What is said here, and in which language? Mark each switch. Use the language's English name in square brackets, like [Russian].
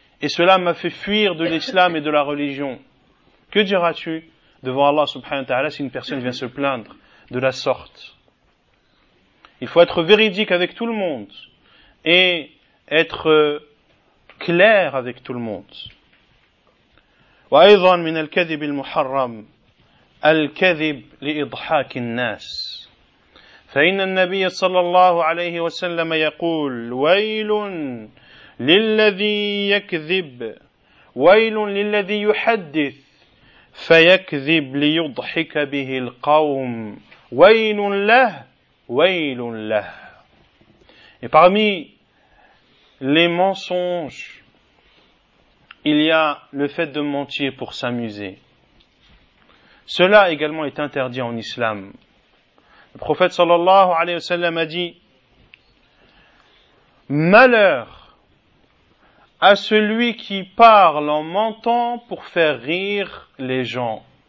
[French] Et cela m'a fait fuir de l'islam et de la religion. Que diras-tu devant Allah subhanahu wa ta'ala si une personne vient se plaindre de la sorte? Il faut être véridique avec tout le monde et être clair avec tout le monde. [Arabic] وَأَيْضًا مِنَ الْكَذِبِ الْمُحَرَّمِ الْكَذِبِ لِإِضْحَاكِ النَّاسِ فإن النبي صلى الله عليه وسلم يقول ويل للذي يكذب ويل للذي يحدث فيكذب ليضحك به القوم ويل له ويل له. [French] Et parmi les mensonges, il y a le fait de mentir pour s'amuser. Cela également est interdit en islam. Le prophète sallallahu alayhi wa sallam a dit « Malheur à celui qui parle en mentant pour faire rire les gens.